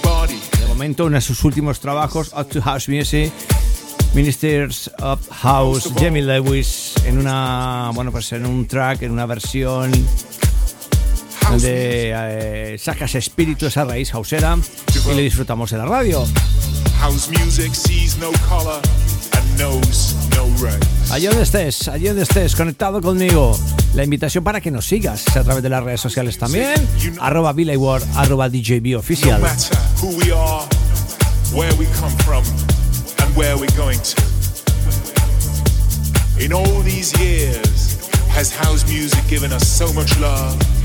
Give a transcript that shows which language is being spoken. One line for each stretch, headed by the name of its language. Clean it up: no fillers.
Spanish: De momento, uno de sus últimos trabajos, Up to House Music, Ministers of House, Jamie Lewis, en una, bueno, pues en un track, en una versión donde saca ese espíritu, esa raíz hausera, y le disfrutamos en la radio.
English: House music sees no color and knows no race.
Spanish: Allí donde estés, conectado conmigo. La invitación para que nos sigas a través de las redes sociales también.
English: Arroba Billy Ward, arroba DJB Official. No matter who we are, where we come from, and where we're going to. In all these years, has house music given us so much love?